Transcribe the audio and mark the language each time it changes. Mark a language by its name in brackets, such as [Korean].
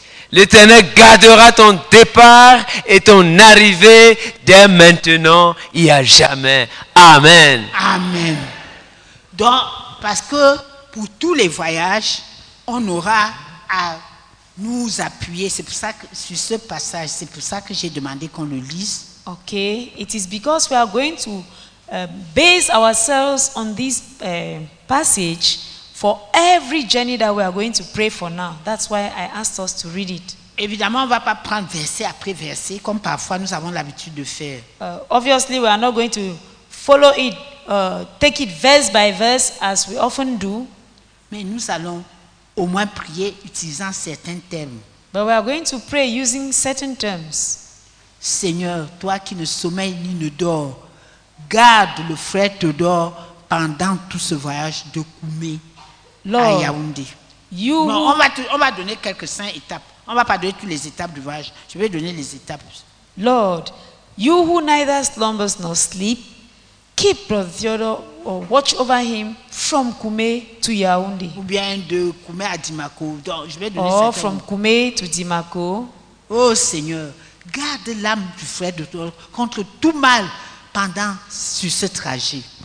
[French] L'Éternel gardera ton départ et ton arrivée dès maintenant et à jamais. Amen. Amen. Donc, parce que pour tous les voyages, on aura à nous appuyer. C'est pour ça que sur ce passage, c'est pour ça que j'ai demandé qu'on le lise. OK. [English] It is because we are going to base ourselves on this passage. For every journey that we are going to pray for now, that's why I asked us to read it. [French] Évidemment, on ne va pas prendre verset après verset comme parfois nous avons l'habitude de faire. [English] Obviously, we are not going to follow it, take it verse by verse as we often do. [French] Mais nous allons au moins prier utilisant certains termes. [English] But we are going to pray using certain terms. [French] Seigneur, toi qui ne sommeilles ni ne dors, garde le frère Théodore pendant tout ce voyage de Koumé. [English] Lord, [French] à Yaoundé. [English] You [French] non, on va donner quelques 5 étapes. On ne va pas donner toutes les étapes du voyage. Je vais donner les étapes. [English] Lord, you who neither slumbers nor sleep, keep Brother Theodore or watch over him from Koumé to Yaoundé. [French] Ou bien de Koumé à Dimako. Donc, je vais donner [English] certaines. From Koumé to Dimako. [French] Oh Seigneur, garde l'âme du frère de toi contre tout mal pendant sur ce trajet.